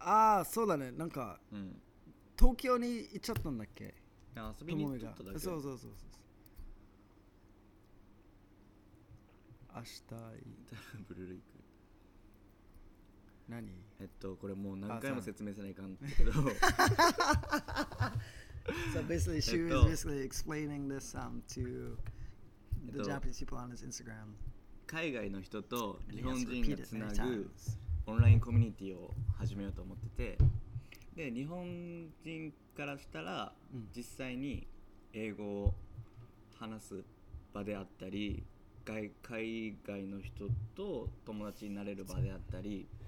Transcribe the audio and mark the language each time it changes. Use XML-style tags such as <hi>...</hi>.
<ja>ああ、そうだね。なんか、うん、東京に行っちゃったんだっけ。遊びに行っちゃっただけ。そうそうそうそう。明日行くブルーレイク何、これもう何回も説明せないかんだけど、</ja> <en>So basically she was basically explaining this to the Japanese people on his Instagram.</en> <ja>海外の人と日本人がつなぐオンラインコミュニティを始めようと思ってて、で日本人からしたら実際に英語を話す場であったり、海外の人と友達になれる場であったり</ja>